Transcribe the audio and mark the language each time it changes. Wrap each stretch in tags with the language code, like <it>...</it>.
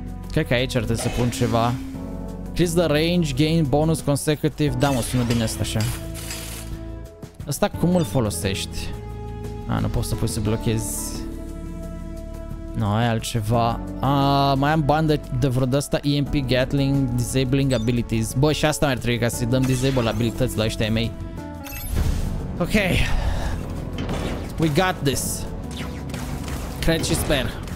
<ro>Cred că aici ar trebui să pun ceva.</ro> <en>Increase the range, gain bonus consecutive.</en> <ro>Da, mă, sună bine asta așa. Asta cum îl folosești? A, nu poți să pui să blochezi. Nu, ai altceva. Mai am bani de vreo de asta EMP Gatling Disabling Abilities. Bă, și asta mai trebuie ca să-i dăm disable abilități la ăștia mei. Ok.</ro> <en>We got this.</en> <ro>Cred și sper.</ro>